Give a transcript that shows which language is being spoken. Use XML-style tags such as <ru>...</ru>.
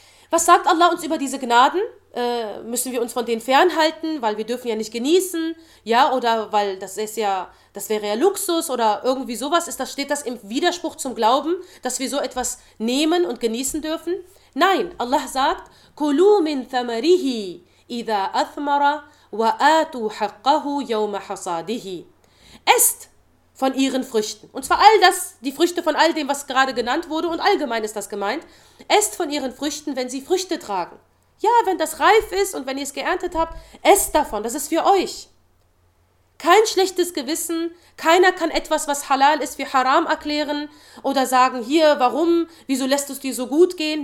<de>Was sagt Allah uns über diese Gnaden? Müssen wir uns von denen fernhalten, weil wir dürfen ja nicht genießen, ja, oder weil das wäre ja Luxus oder irgendwie sowas, steht das im Widerspruch zum Glauben, dass wir so etwas nehmen und genießen dürfen? Nein, Allah sagt,</de> <ar>كُلُوا مِن ثَمَرِهِ إِذَا أَثْمَرَ وَآتُوا حَقَّهُ يَوْمَ حَصَادِهِ.</ar> <de>Esst von ihren Früchten. Und zwar all das, die Früchte von all dem, was gerade genannt wurde, und allgemein ist das gemeint. Esst von ihren Früchten, wenn sie Früchte tragen. Ja, wenn das reif ist und wenn ihr es geerntet habt, esst davon, das ist für euch. Kein schlechtes Gewissen, keiner kann etwas, was halal ist, für haram erklären oder sagen, hier, warum, wieso lässt es dir so gut gehen?</de>